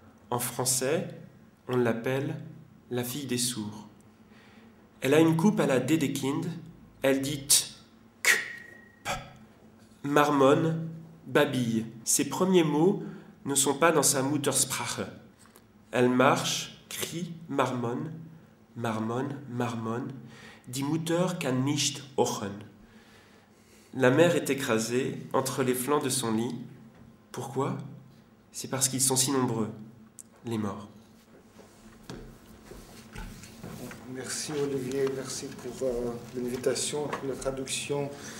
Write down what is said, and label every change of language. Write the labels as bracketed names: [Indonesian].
[French] En français, on l'appelle la fille des sourds. Elle a une coupe à la Dedekind, elle dit « k » « p » marmonne, babille. Ses premiers mots ne sont pas dans sa Muttersprache. Elle marche, crie, marmonne, marmonne, marmonne, [German] die Mutter kann nicht hören. [French] La mère est écrasée entre les flancs de son lit. Pourquoi? C'est parce qu'ils sont si nombreux, les morts. Merci Olivier, merci pour l'invitation, pour la traduction.